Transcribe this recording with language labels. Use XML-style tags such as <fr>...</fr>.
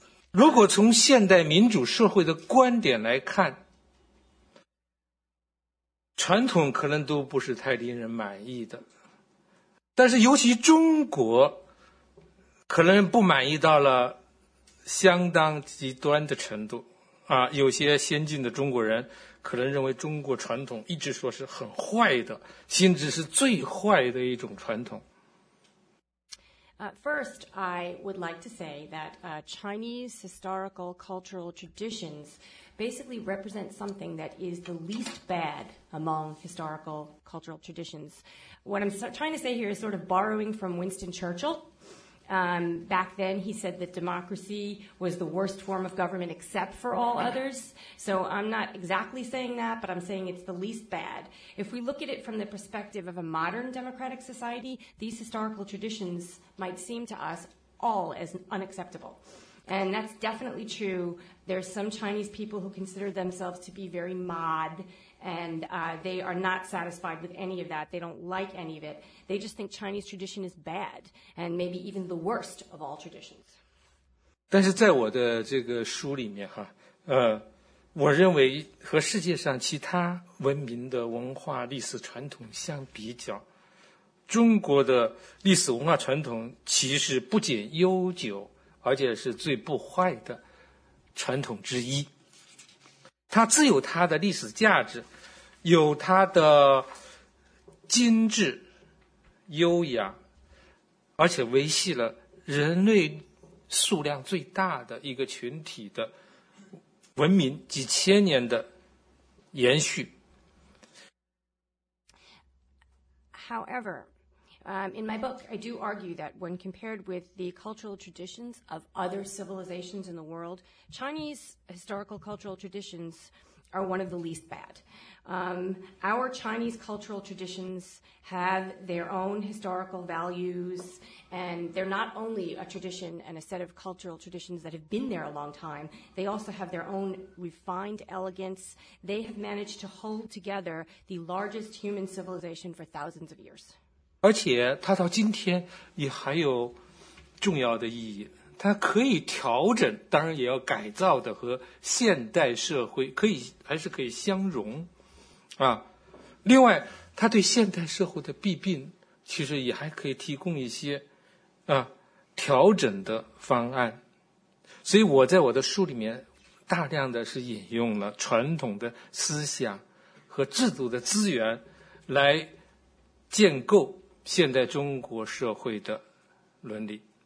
<zh>如果从现代民主社会的观点来看，传统可能都不是太令人满意的，但是尤其中国可能不满意到了相当极端的程度啊。有些先进的中国人可能认为中国传统一直说是很坏的，甚至是最坏的一种传统。</zh> <en>First, I would like to say that Chinese historical cultural traditions basically represent something that is the least bad among historical cultural traditions. What I'm trying to say here is sort of borrowing from Winston Churchill. Back then, he said that democracy was the worst form of government except for all others. So I'm not exactly saying that, but I'm saying it's the least bad. If we look at it from the perspective of a modern democratic society, these historical traditions might seem to us all as unacceptable. And that's definitely true. There's some Chinese people who consider themselves to be very mod, and they are not satisfied with any of that. They don't like any of it. They just think Chinese tradition is bad, and maybe even the worst of all traditions.</en> <zh>但是在我的这个书里面哈，我认为和世界上其他文明的文化历史传统相比较，中国的历史文化传统其实不仅悠久，而且是最不坏的传统之一。它自有它的历史价值，有它的精致优雅，而且维系了人类数量最大的一个群体的文明几千年的延续。</zh> <en>However, in my book, I do argue that when compared with the cultural traditions of other civilizations in the world, Chinese historical cultural traditions are one of the least bad. Our Chinese cultural traditions have their own historical values, and they're not only a tradition and a set of cultural traditions that have been there a long time, they also have their own refined elegance. They have managed to hold together the largest human civilization for thousands of years.</en> <zh>而且它到今天也还有重要的意义，它可以调整，当然也要改造的和现代社会可以还是可以相融啊。另外它对现代社会的弊病其实也还可以提供一些啊调整的方案，所以我在我的书里面大量的是引用了传统的思想和制度的资源来建构现代中国社会的伦理。</zh>